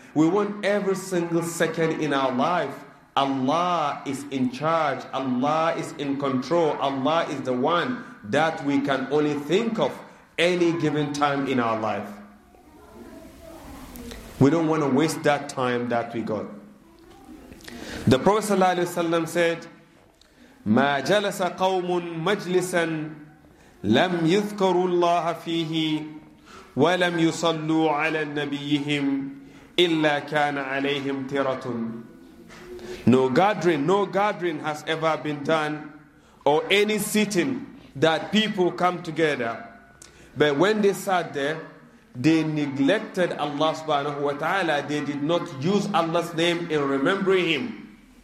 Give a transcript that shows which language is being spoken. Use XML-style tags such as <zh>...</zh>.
<en>We want every single second in our life, Allah is in charge, Allah is in control, Allah is the one that we can only think of any given time in our life. We don't want to waste that time that we got. The Prophet ﷺ said,</en> <ar>ما جلس قوم مجلسا لم يذكروا الله فيه ولم يصلوا على نبيهم إلا كان عليهم ترة.</ar> <en>No gathering has ever been done, or any sitting that people come together, but when they sat there, they neglected Allah subhanahu wa ta'ala. They did not use Allah's name in remembering Him.</en>